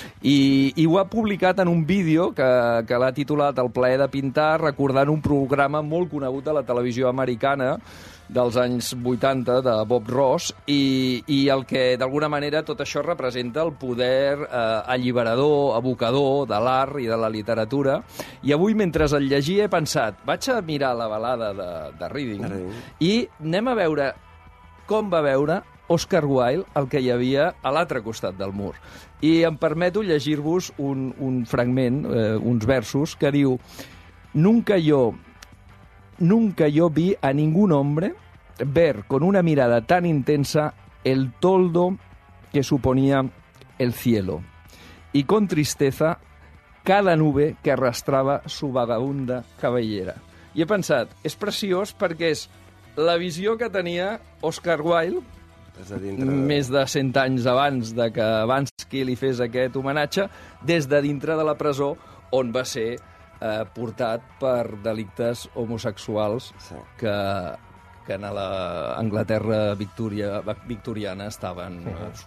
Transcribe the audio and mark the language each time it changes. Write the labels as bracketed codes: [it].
[ca] I ho ha publicat en un vídeo que l'ha titulat El plaer de pintar, recordant un programa molt conegut de la televisió americana dels anys 80, de Bob Ross, i el que, d'alguna manera, tot això representa el poder alliberador, abocador de l'art i de la literatura. I avui, mentre el llegia, he pensat, vaig a mirar la balada de Reading, i anem a veure com va veure Oscar Wilde el que hi havia a l'altre costat del mur. I em permeto llegir-vos un fragment, uns versos, que diu: [es] Nunca yo vi a ningún hombre ver con una mirada tan intensa el toldo que suponía el cielo, y con tristeza cada nube que arrastraba su vagabunda cabellera. [ca] I he pensat, és preciós, perquè és la visió que tenia Oscar Wilde més de 100 anys abans de que Bansky li fes aquest homenatge, des de dintre de la presó on va ser portat per delictes homosexuals, sí, que en l'Anglaterra victoriana estaven absolutament...